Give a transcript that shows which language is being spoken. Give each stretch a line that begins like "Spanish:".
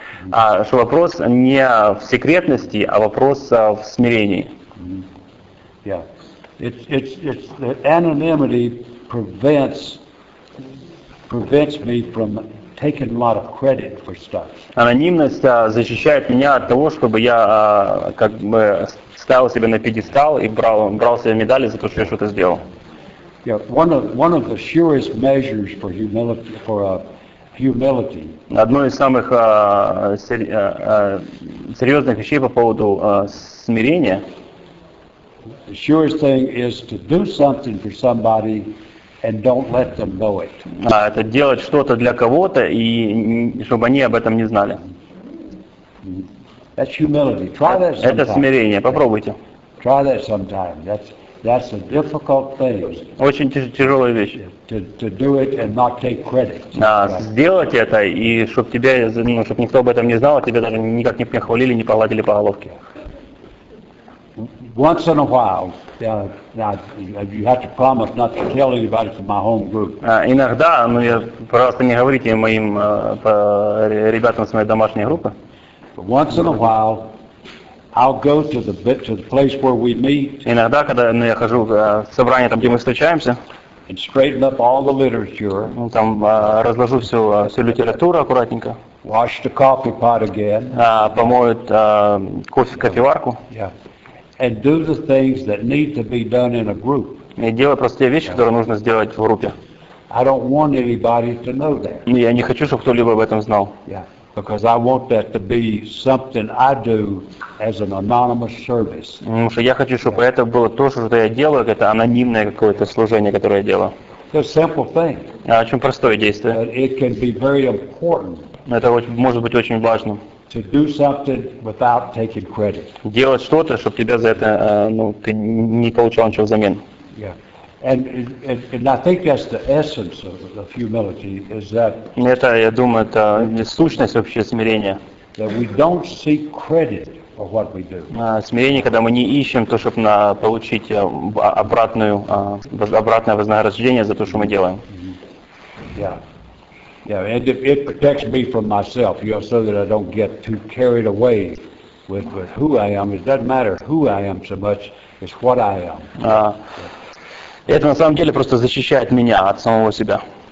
Russian: А что вопрос не в секретности, а вопрос в смирении.
English: Yeah. It's the anonymity prevents me from taking a lot of credit for stuff.
Russian: Анонимность защищает меня от того, чтобы я как бы ставил себя на пьедестал и брал себе медали за то, что я что-то сделал.
English: Yeah. One of the surest measures for humility humility.
Russian: Одно из самых серьезных вещей по поводу смирения.
English: The surest thing is to do something for somebody and don't let them know it.
Russian: Это делать что-то для кого-то и чтобы они об этом не знали.
English: That's humility. Try that sometime.
Russian: Это смирение. Попробуйте.
English: Try that sometime. That's a difficult thing.
Russian: Очень тяжелая вещь.
English: To do it and not take credit.
Russian: Сделать это и чтобы тебя, чтобы никто об этом не знал, тебя даже никак не похвалили, не погладили по головке.
English: Once in a while, you have to promise not to tell anybody from my home group.
Russian: Иногда, я, пожалуйста, не говорите моим ребятам с моей домашней группы.
English: But once in a while, I'll go to the place where we meet.
Russian: Иногда, когда я хожу в собрание, там, где мы встречаемся.
English: And straighten up all the literature.
Russian: Там разложу всю литературу аккуратненько.
English: Wash the coffee pot again.
Russian: Помоют кофеварку.
English: Yeah. And do the things that need to be done in a group.
Russian: И делай просто те вещи, которые нужно сделать в группе.
English: I don't want anybody to know that.
Russian: Я не хочу, чтобы кто-либо об этом знал.
English: Yeah. Because I want that to be something I do as an anonymous service.
Russian: Потому что я хочу, чтобы это было то, что я делаю, это анонимное какое-то служение, которое я делаю.
English: It's a simple thing.
Russian: А очень простое действие.
English: But it can be very important.
Russian: Это может быть очень важным.
English: To do something without taking credit.
Russian: Делать что-то, чтобы тебя за это, ну, ты не получал ничего взамен.
English: Yeah. And I think that's the essence of humility is that.
Russian: Это, я думаю, это сущность вообще смирения.
English: That we don't seek credit for what we do.
Russian: Смирение, когда мы не ищем то, чтобы получить обратное вознаграждение за то, что мы делаем.
English: Yeah. Yeah. And it protects me from myself, you know, so that I don't get too carried away with who I am. It doesn't matter who I am so much, it's what I am.
Russian: Это на самом деле просто защищает меня от самого себя.